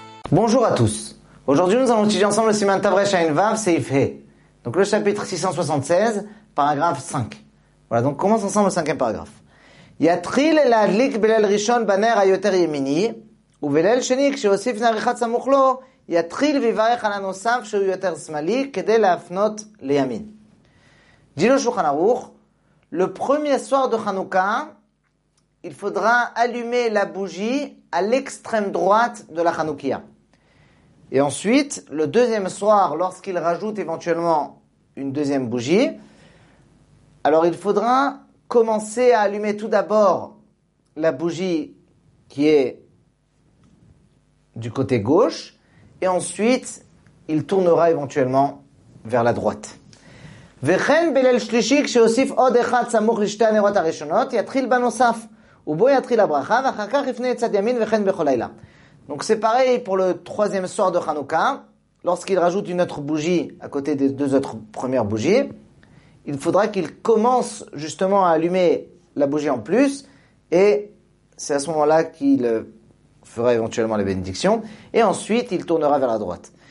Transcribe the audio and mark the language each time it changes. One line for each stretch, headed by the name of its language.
French: Bonjour à tous. Aujourd'hui, nous allons étudier ensemble le Siman Tavresh Ayin Vav Seif He. Donc le chapitre 676, paragraphe 5. Voilà, donc commence ensemble le cinquième paragraphe.
Hebrew: Yatril el adlik belel rishon baner ayoter yemini. ובליל שני, כשהוסיף נעריכת סמוך לו, יתחיל ויברך על הנוסף שהוא יותר שמאלי, כדי להפנות לימין.
French: Dis-le Shulchan Aruch, le premier soir de Chanukah, il faudra allumer la bougie à l'extrême droite de la Chanukia. Et ensuite, le deuxième soir, lorsqu'il rajoute éventuellement une deuxième bougie, alors il faudra commencer à allumer tout d'abord la bougie qui est du côté gauche, et ensuite, il tournera éventuellement vers la droite.
Hebrew: וכן בליל שלישי, כשהוסיף עוד אחד סמוך לשתי הנרות הראשונות, יתחיל בנוסף, ובו יתחיל הברכה, ואחר כך יפנה צד ימין, וכן בכל לילה.
French: Donc c'est pareil pour le troisième soir de Hanouka, lorsqu'il rajoute une autre bougie à côté des deux autres premières bougies, il faudra qu'il commence justement à allumer la bougie en plus, et c'est à ce moment-là qu'il fera éventuellement les bénédictions, et ensuite il tournera vers la droite.